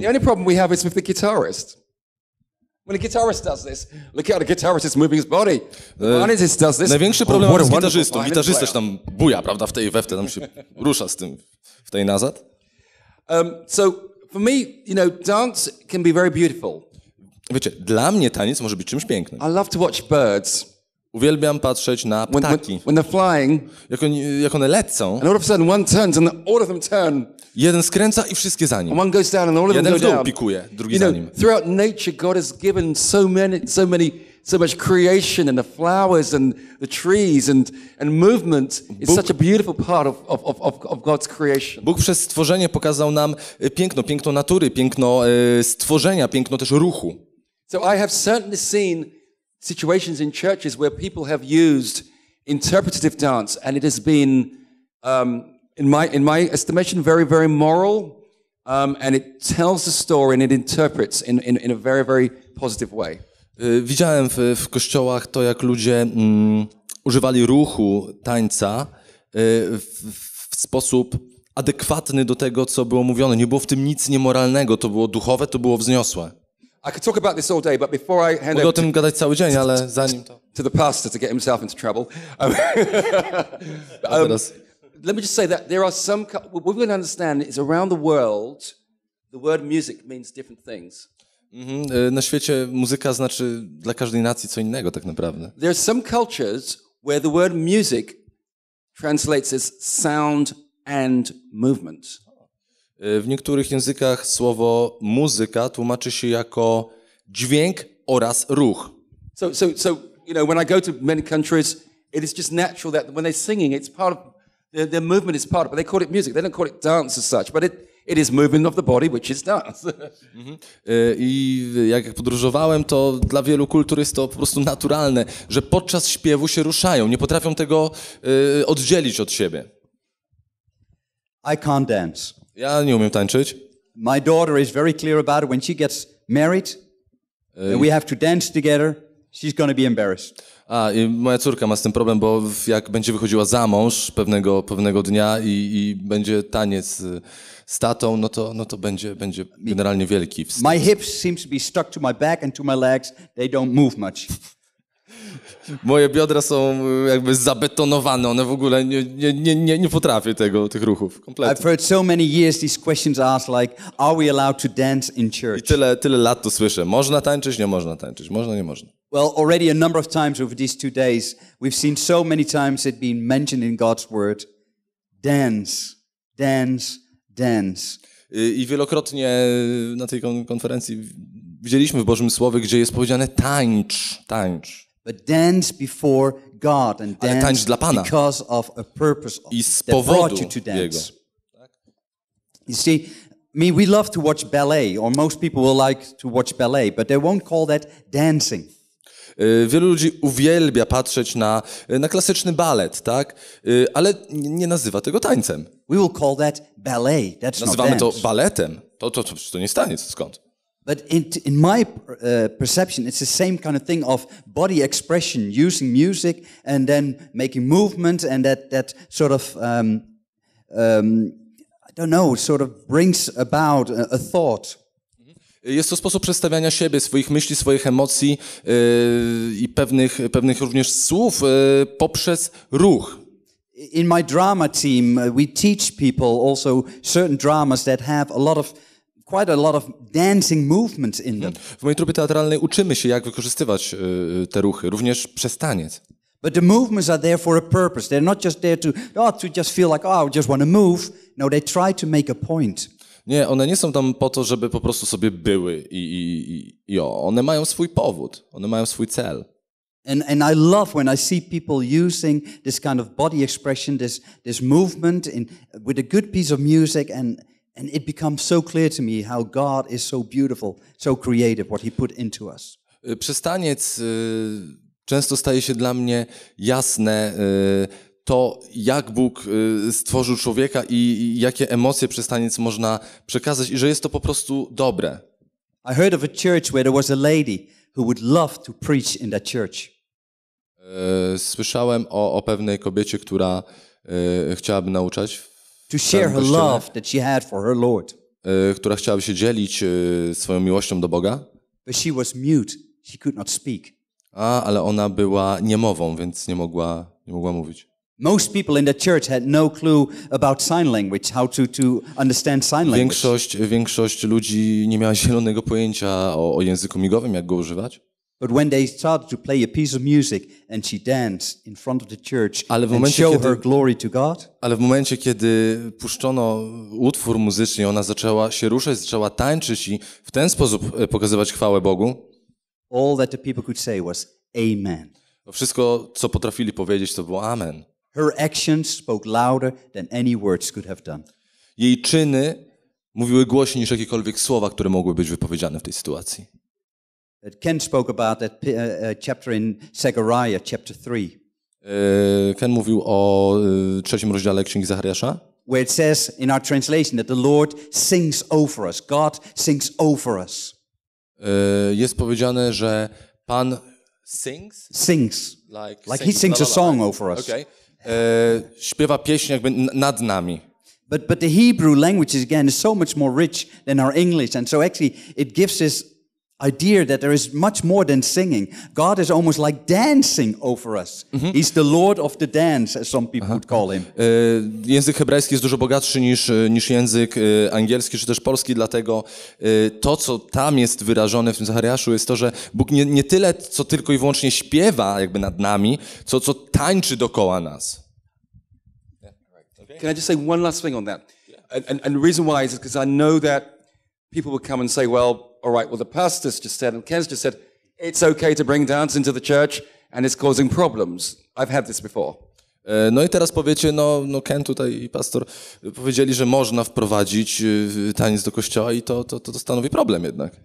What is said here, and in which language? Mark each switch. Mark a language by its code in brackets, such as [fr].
[en] The only problem we have is with the guitarist. When a guitarist does this, look how the guitarist is moving his body. The pianist does this. [pl] Największy problem jest z gitarzystą. Gitarzysta się tam buja, prawda, we wtedy tam się rusza z tym w tej nazad. [en] So for me, you know, dance can be very beautiful. [pl] Wiecie, dla mnie taniec może być czymś pięknym. [en] I love to watch birds. [pl] Uwielbiam patrzeć na ptaki. [en] When they're flying, [pl] jak one lecą. [en] And all of a sudden one turns and all of them turn. [pl] Jeden skręca i wszystkie za nim. [en] And one goes down and all of them go down. [pl] Jeden pikuje, drugi za nim. [en] Throughout nature, God has given so much creation and the flowers and the trees and movement is such a beautiful part of God's creation. [pl] Bóg przez stworzenie pokazał nam piękno natury, piękno stworzenia, piękno też ruchu. [en] So I have certainly seen situations in churches where people have used interpretive dance and it has been in my estimation very very moral and it tells the story and it interprets in a very very positive way. [pl] Widziałem w kościołach to, jak ludzie używali ruchu tańca w sposób adekwatny do tego, co było mówione. Nie było w tym nic niemoralnego, to było duchowe, to było wzniosłe. [en] I could talk about this all day, but before I hand [pl] mogę o tym gadać cały dzień, ale zanim [en] to the pastor to get himself into trouble. let me just say that there are some what we're going to understand is around the world the word music means different things. [pl] Na świecie muzyka znaczy dla każdej nacji co innego tak naprawdę. [en] There are some cultures where the word music translates as sound and movement. [pl] W niektórych językach słowo muzyka tłumaczy się jako dźwięk oraz ruch. [en] So you know, when I go to many countries, it is just natural that when they're singing, it's part of their movement is part of, but they call it music. They don't call it dance as such, but it is movement of the body, which is dance. [pl] I jak podróżowałem, to dla wielu kultur jest to po prostu naturalne, że podczas śpiewu się ruszają, nie potrafią tego oddzielić od siebie. [en] I can't dance. [pl] Ja nie umiem tańczyć. [en] My daughter is very clear about it. When she gets married, we have to dance together, she's going to be embarrassed. [pl] A, i moja córka ma z tym problem, bo jak będzie wychodziła za mąż pewnego dnia i będzie taniec z tatą, no to będzie generalnie wielki wstyd. [en] My hips seem to be stuck to my back and to my legs. They don't move much. [pl] Moje biodra są jakby zabetonowane, one w ogóle nie potrafią tych ruchów kompletnie. [en] I've heard so many years these questions asked, like, are we allowed to dance in church? [pl] I tyle lat to słyszę. Można tańczyć, nie można tańczyć. Można, nie można. [en] Well, already a number of times over these 2 days, we've seen so many times it being mentioned in God's word, dance, dance, dance. [pl] I wielokrotnie na tej konferencji widzieliśmy w Bożym Słowie, gdzie jest powiedziane tańcz, tańcz. [en] But dance before God and dance because of a purpose that brought you to dance. You see, we love to watch ballet, or most people will like to watch ballet, but they won't call that dancing. [pl] Wielu ludzi uwielbia patrzeć na klasyczny balet, tak? Ale nie nazywa tego tańcem. [en] We will call that ballet. That's [pl] nazywamy [en] not [pl] to [en] dance. [pl] Baletem. To nie jest taniec, skąd? [en] But in my perception, it's the same kind of thing of body expression, using music and then making movement and that sort of, I don't know, sort of brings about a thought. [pl] Jest to sposób przedstawiania siebie, swoich myśli, swoich emocji i pewnych również słów poprzez ruch. [en] In my drama team, we teach people also certain dramas that have quite a lot of dancing movements in them. [pl] W mojej trupie teatralnej uczymy się, jak wykorzystywać te ruchy, również przez taniec. [en] But the movements are there for a purpose. They're not just there to just feel like, oh, I just want to move. No, they try to make a point. [pl] Nie, one nie są tam po to, żeby po prostu sobie były i o, one mają swój powód, one mają swój cel. [en] And I love when I see people using this kind of body expression, this movement in with a good piece of music and it becomes so clear to me how God is so beautiful, so creative, what he put into us. [pl] Przez taniec często staje się dla mnie jasne to, jak Bóg stworzył człowieka i jakie emocje przez taniec można przekazać i że jest to po prostu dobre. [en] I heard of a church where there was a lady who would love to preach in that church. [pl] Słyszałem o pewnej kobiecie, która chciałaby nauczać. [en] To share her love that she had for her Lord. [pl] Która chciałaby się dzielić swoją miłością do Boga. [en] But she was mute. She could not speak. [pl] Ale ona była niemową, więc nie mogła mówić. [en] Most people in the church had no clue about sign language, how to understand sign language. [pl] Większość ludzi nie miała zielonego pojęcia o języku migowym, jak go używać. [en] But when they started to play a piece of music and she danced in front of the church and show her glory to God. [pl] Ale w momencie, kiedy puszczono utwór muzyczny, ona zaczęła się ruszać, zaczęła tańczyć i w ten sposób pokazywać chwałę Bogu. [en] All that the people could say was amen. [pl] Wszystko, co potrafili powiedzieć, to było amen. [en] Her actions spoke louder than any words could have done. [pl] Jej czyny mówiły głośniej niż jakiekolwiek słowa, które mogły być wypowiedziane w tej sytuacji. [en] Ken spoke about that chapter in Zechariah, chapter 3. [pl] Ken mówił o trzecim rozdziale Księgi Zachariasza. [en] Where it says in our translation that the Lord sings over us. God sings over us. [pl] Jest powiedziane, że Pan sings? [en] Sings. Like sings. He sings a song over us. Okay. [pl] Śpiewa pieśń jakby nad nami. [en] But the Hebrew language is again so much more rich than our English, and so actually it gives us idea that there is much more than singing. God is almost like dancing over us. Mm-hmm. He's the Lord of the dance, as some people would call him. [pl] Język hebrajski jest dużo bogatszy niż język angielski czy też polski, dlatego to, co tam jest wyrażone w tym Zachariaszu, jest to, że Bóg nie tyle, co tylko i wyłącznie śpiewa jakby nad nami, co tańczy dookoła nas. [en] Can I just say one last thing on that? And the reason why is because I know that people would come and say, well, all right, well, the pastor's just said, and Ken's just said, it's okay to bring dance into the church, and it's causing problems. I've had this before. [pl] No i teraz powiecie, no Ken tutaj i pastor powiedzieli, że można wprowadzić taniec do kościoła i to stanowi problem jednak.